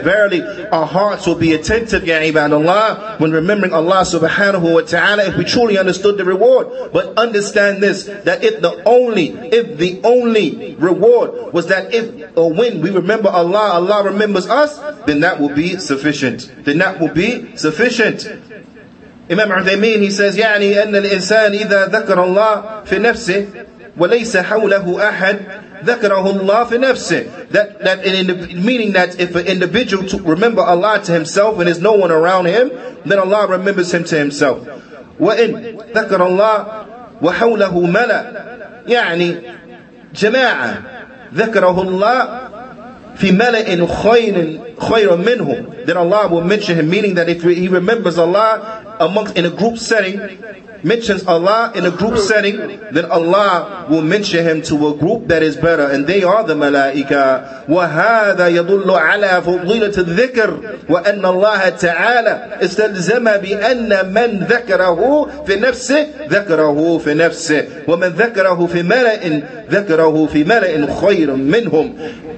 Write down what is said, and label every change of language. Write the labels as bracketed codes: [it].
[en] Verily our hearts will be attentive, ya ibadallah, when remembering Allah subhanahu wa ta'ala, if we truly understood the reward. But understand this, that if the only reward was that if or when we remember Allah, Allah remembers us, then that will be sufficient. Then that will be sufficient. Imam Uthaymeen, he says, [ar] يعني أن الإنسان إذا ذكر الله في نفسه وليس حوله أحد ذكره الله في نفسه. [en] Meaning that if an individual to remember Allah to himself and there's no one around him, then Allah remembers him to himself. [ar] وإن ذكر الله وحوله ملأ يعني جماعة ذكره الله في ملأ خير خير منهم. [en] Then Allah will mention him, meaning that if he remembers Allah amongst in a group setting, mentions Allah in a group setting, then Allah will mention him to a group that is better, and they are the malaika. [ar] وَهَذَا يَضُلُّ عَلَى فُضِيلَةِ الذِّكْرِ وَأَنَّ اللَّهَ تَعَالَى إِسْتَلْزَمَ بِأَنَّ مَنْ ذَكَرَهُ فِي نَفْسِهِ ذَكَرَهُ فِي نَفْسِهِ وَمَنْ ذَكَرَهُ فِي مَلَئٍ ذَكَرَهُ فِي مَلَئٍ خَيْرٌ مِنْهُمْ.